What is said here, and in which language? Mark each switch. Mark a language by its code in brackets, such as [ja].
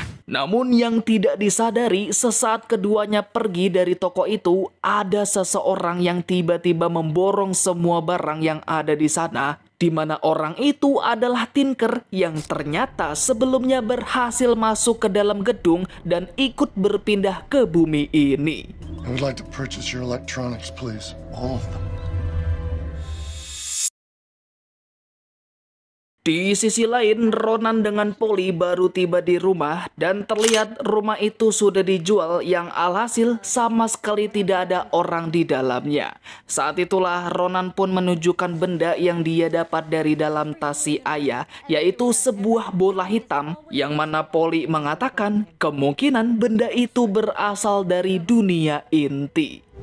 [id] Namun yang tidak disadari, sesaat keduanya pergi dari toko itu, ada seseorang yang tiba-tiba memborong semua barang yang ada di sana, di mana orang itu adalah Tinker yang ternyata sebelumnya berhasil masuk ke dalam gedung dan ikut berpindah ke bumi ini. [en] I would like to purchase your electronics, please. All of them. [id] Di sisi lain, Ronan dengan Polly baru tiba di rumah dan terlihat rumah itu sudah dijual yang alhasil sama sekali tidak ada orang di dalamnya. Saat itulah Ronan pun menunjukkan benda yang dia dapat dari dalam tas si ayah, yaitu sebuah bola hitam yang mana Polly mengatakan kemungkinan benda itu berasal dari dunia inti.